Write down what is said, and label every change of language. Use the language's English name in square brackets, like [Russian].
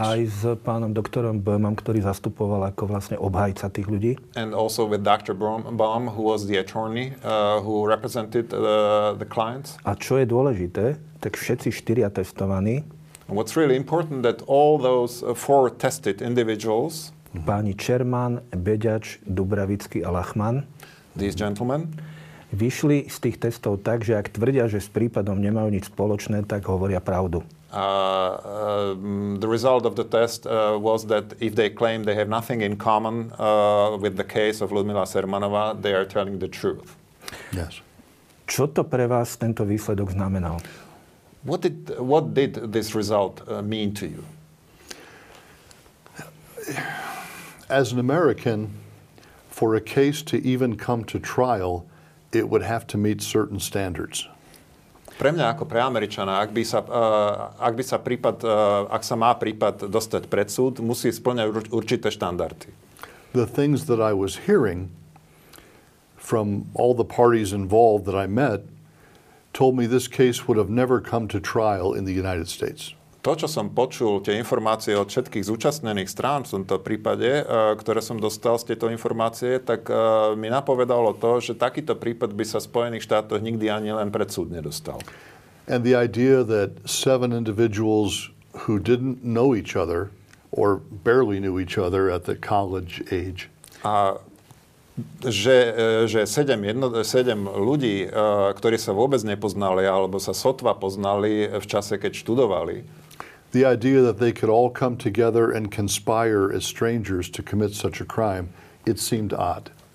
[Slovak] Aj s pánom doktorom Böhmom, ktorý zastupoval ako vlastne obhajca tých ľudí. [English] And also with Dr. Böhm, who was the attorney who represented the clients. [Slovak] A čo je dôležité, tak všetci štyria testovaní. [English] What's really important that all those four tested individuals, [Slovak] páni Čermán, Beďač, Dubravický a Lachman, [English] these gentlemen, [Slovak] vyšli z tých testov tak, že ak tvrdia, že s prípadom nemajú nič spoločné, tak hovoria pravdu. [English] The result of the test was that if they claim they have nothing in common with the case of Ľudmila Cermanová, they are telling the truth. Yes. [Slovak] Čo to pre vás tento výsledok znamenal? [English] What did this result mean to you? As an American, for a case to even come to trial, it would have to meet certain standards. [Slovak] Pre mňa ako pre Američana, ak sa má prípad dostať pred súd, musí spĺňať určité štandardy. [English] The things that I was hearing from all the parties involved that I met told me this case would have never come to trial in the United States. [Slovak] To, čo som počul, tie informácie od všetkých zúčastnených strán v tomto prípade, ktoré som dostal z tejto informácie, tak mi napovedalo to, že takýto prípad by sa v Spojených štátoch nikdy ani len pred súd nedostal. [English] And the idea that seven individuals who didn't know each other or barely knew each other at the college age. [Slovak] A že sedem ľudí, ktorí sa vôbec nepoznali alebo sa sotva poznali v čase, keď študovali. [English] The idea that they could all come together and conspire as strangers to commit such a crime, it seemed odd.